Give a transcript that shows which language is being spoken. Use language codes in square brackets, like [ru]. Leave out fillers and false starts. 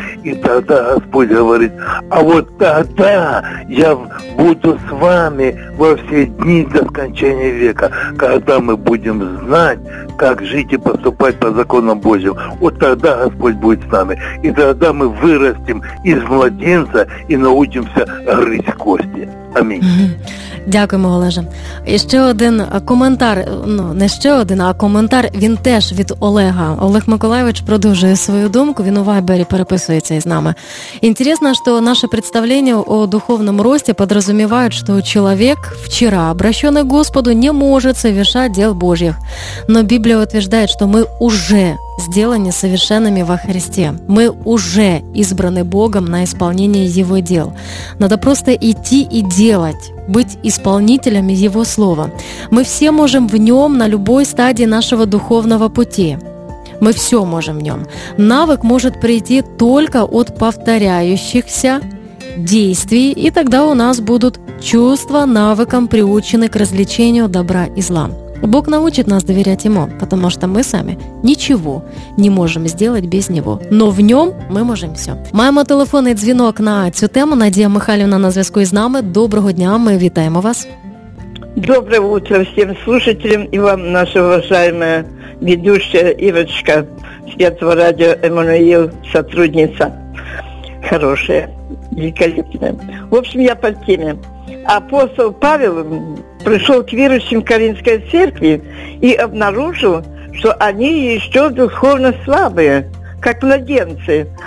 [ru] И тогда Господь говорит, а вот тогда я буду с вами во все дни до скончания века, когда мы будем знать, как жить и поступать по законам Божьим. Вот тогда Господь будет с нами. И тогда мы вырастем из младенца и научимся грызть кости. Аминь. [uk] Дякуємо, Олеже. І ще один коментар, ну не ще один, а коментар, він теж від Олега. Олег Миколаєвич продовжує свою думку, він у Вайбері переписується із нами. Інтересно, що наше представлення о духовному рості підрозуміває, що чоловік, вчора обращений Господу, не може совершати діл Божих. Но Біблія утверждає, що ми вже сделані совершенними во Христе. Ми вже избрані Богом [ru] на исполнение Его дел. Надо просто идти и делать. Быть исполнителями Его Слова. Мы все можем в Нем на любой стадии нашего духовного пути. Мы все можем в Нем. Навык может прийти только от повторяющихся действий, и тогда у нас будут чувства навыком приучены к развлечению добра и зла. Бог научит нас доверять Ему, потому что мы сами ничего не можем сделать без Него. Но в Нем мы можем все. [uk] Маємо телефонний дзвінок на цю тему. Надія Михайлівна на зв'язку із нами. Доброго дня, ми вітаємо вас. [ru] Доброе утро всем слушателям и вам, наша уважаемая ведущая Ивочка, Святого Радио Эммануил, сотрудница. Хорошая, великолепная. В общем, я по теме. Апостол Павел пришел к верующим Коринфской церкви и обнаружил, что они еще духовно слабые, как младенцы.